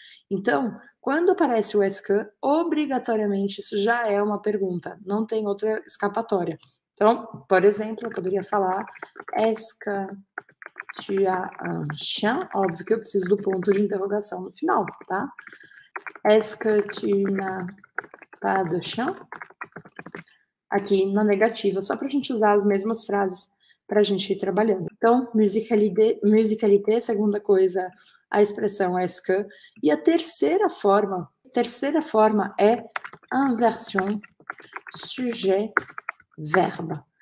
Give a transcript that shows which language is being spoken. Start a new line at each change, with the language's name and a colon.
Portuguese: Então, quando aparece o est-ce que, obrigatoriamente isso já é uma pergunta, não tem outra escapatória. Então, por exemplo, eu poderia falar
French: est-ce que tu as un chien?
Portuguese: Óbvio que eu preciso do ponto de interrogação no final, tá?
French: Est-ce que tu n'as pas de chien?
Portuguese: Aqui na negativa, só para a gente usar as mesmas frases para a gente ir trabalhando. Então, musicalité, segunda coisa. A expressão est-ce que, e a terceira forma é
French: inversion sujet verbe.